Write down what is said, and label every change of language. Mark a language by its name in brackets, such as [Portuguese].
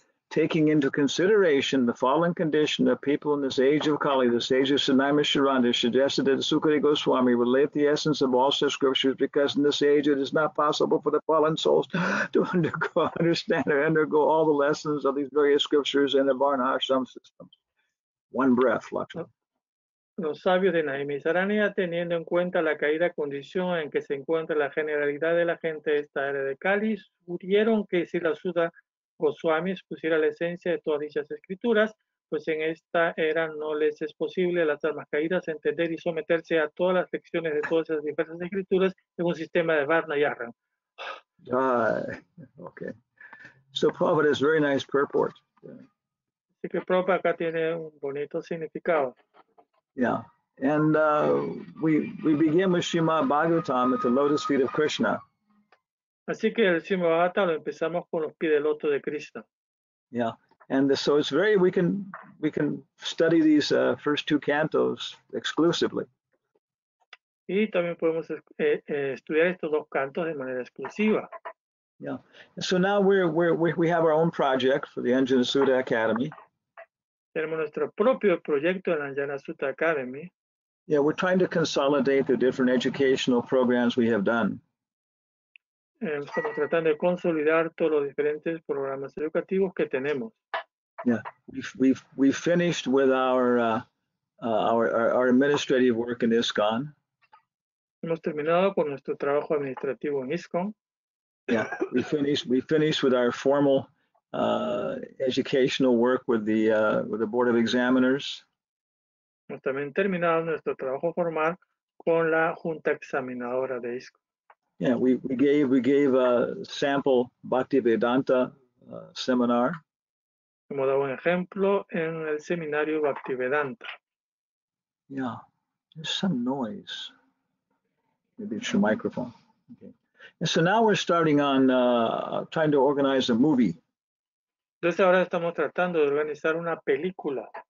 [English] Taking into consideration the fallen condition of people in this age of Kali, the sage of Sanayama Sharanda suggested that Sukadi Goswami relate the essence of all such scriptures because in this age it is not possible for the fallen souls to understand or undergo all the lessons of these various scriptures in the Varnashram systems. One breath, Lakshman. [Spanish] Los sabios de Naimi Saranya, teniendo en cuenta la caída condición en que se encuentra la generalidad de la gente de esta era de Kali, sugirieron que si la Suda Goswami expusiera la esencia de todas dichas escrituras, pues en esta era no les es posible a las almas caídas entender y someterse a todas las lecciones de todas esas diversas escrituras en un sistema de Varna Yarran. [English] Okay. So Prabhupada has very nice purport. Yeah. [Spanish] Así que Prabhupada acá tiene un bonito significado. [English] Yeah. And we begin with Srimad Bhagavatam at the lotus feet of Krishna. [Spanish] Así que el Simbhavata lo empezamos con los pies del loto de Krishna. [English] Yeah, and so it's very, we can study these first two cantos exclusively. [Spanish] Y también podemos estudiar estos dos cantos de manera exclusiva. [English] Yeah, so now we have our own project for the Anjana Sutta Academy. [Spanish] Tenemos nuestro propio proyecto en la Anjana Sutta Academy. [English] Yeah, we're trying to consolidate the different educational programs we have done. [Spanish] Estamos tratando de consolidar todos los diferentes programas educativos que tenemos. [English] Yeah, we've finished with our administrative work in ISKCON. [Spanish] Hemos terminado con nuestro trabajo administrativo en ISKCON. [English] Yeah, we finished with our formal educational work with the Board of Examiners. [Spanish] Hemos también terminado nuestro trabajo formal con la Junta Examinadora de ISKCON. [English] Yeah, we gave a sample Bhaktivedanta seminar. [Spanish] Hemos dado un ejemplo en el seminario Bhaktivedanta. [English] Yeah, there's some noise. Maybe it's your microphone. Okay. And so now we're starting on trying to organize a movie. [Spanish] Entonces ahora estamos tratando de organizar una película.